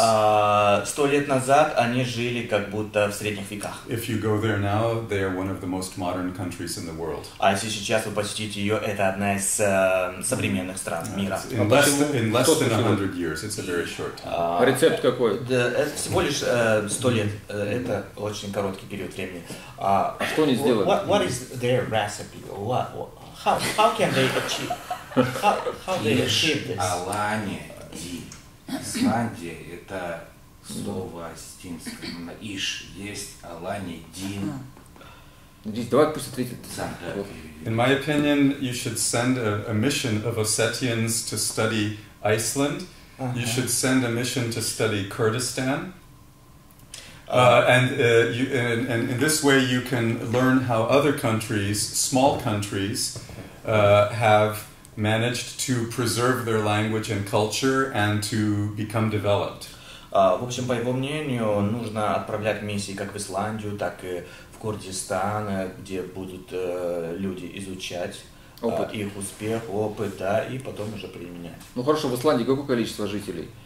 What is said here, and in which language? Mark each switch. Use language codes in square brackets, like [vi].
[ru] 100 лет назад они жили как будто в средних веках. [en] If you go there now, they are one of the most modern countries in the world. [ru] А если сейчас вы посетите ее, это одна из современных стран мира. [en] In less than 100 years, it's a very short. [ru] Рецепт какой? Да, это всего лишь 100 лет. Это очень короткий период времени. А что они сделали? [en] What is their recipe? How can they achieve? How they achieve this? [ru] Алания и Исландия – это слово остинское. Иш есть, Алания – дин. Давай пусть ответит. [en] In my opinion, you should send a mission of Ossetians to study Iceland. Uh-huh. You should send a mission to study Kurdistan, and in this way you can learn how other countries, small countries, have managed to preserve their language and culture and to become developed. [ru] В общем, по его мнению, нужно отправлять миссии как в Исландию, так и в Курдистан, где будут люди изучать. Опыт. Их успех, опыт, да, и потом уже применять. Ну хорошо, в Исландии какое количество жителей?